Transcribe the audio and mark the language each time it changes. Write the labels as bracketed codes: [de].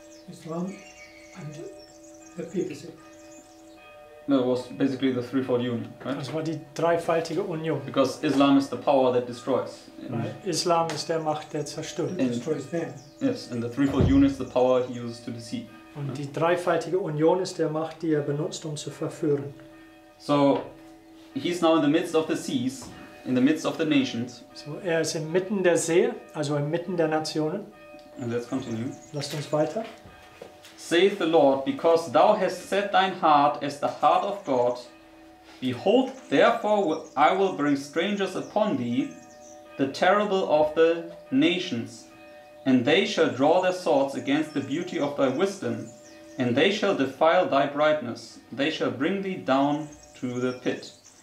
[en] Islam and the papacy. No, it was basically the threefold union, right? [de] Das war die dreifaltige Union. [en] Because Islam is the power that destroys. Right. [de] Islam ist der Macht, der zerstört. [en] And destroys them. Yes, and the threefold union is the power he uses to deceive. [de] Und [en] right? [de] Die dreifaltige Union ist der Macht, die benutzt, zu verführen. [en] So, he's now in the midst of the seas, in the midst of the nations. [de] So, ist inmitten der See, also inmitten der Nationen. [en] And let's continue. [de] Lasst uns weiter. [en] Saith the Lord, because thou hast set thine heart as the heart of God, behold, therefore I will bring strangers upon thee, the terrible of the nations, and they shall draw their swords against the beauty of thy wisdom, and they shall defile thy brightness, they shall bring thee down to the pit.